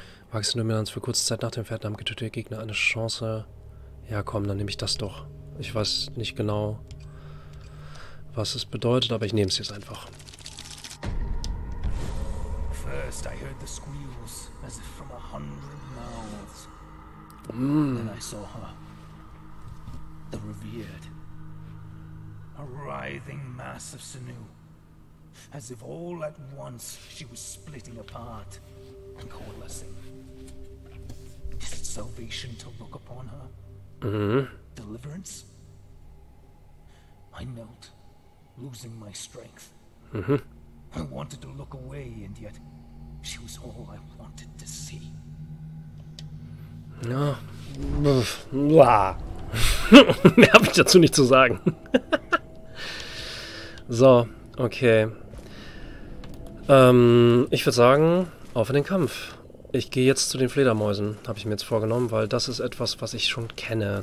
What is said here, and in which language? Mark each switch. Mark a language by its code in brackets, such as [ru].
[de] Wachsende Dominanz für kurze Zeit nach dem Fährten haben getötete Gegner eine Chance. Ja, komm, dann nehme ich das doch. Ich weiß nicht genau, was es bedeutet, aber ich nehme es jetzt einfach. [en] First I heard the squeals as if from 100 mouths. Then I saw her. The revered. A writhing mass of sinew. As if all at once she was splitting apart and coalescing. Is it salvation to look upon her? Deliverance? I knelt, losing my strength. I wanted to look away and yet. She was all I wanted to see. [de] Ja. Mehr habe ich dazu nicht zu sagen. So, okay. Ich würde sagen, auf in den Kampf. Ich gehe jetzt zu den Fledermäusen, habe ich mir jetzt vorgenommen, weil das ist etwas, was ich schon kenne.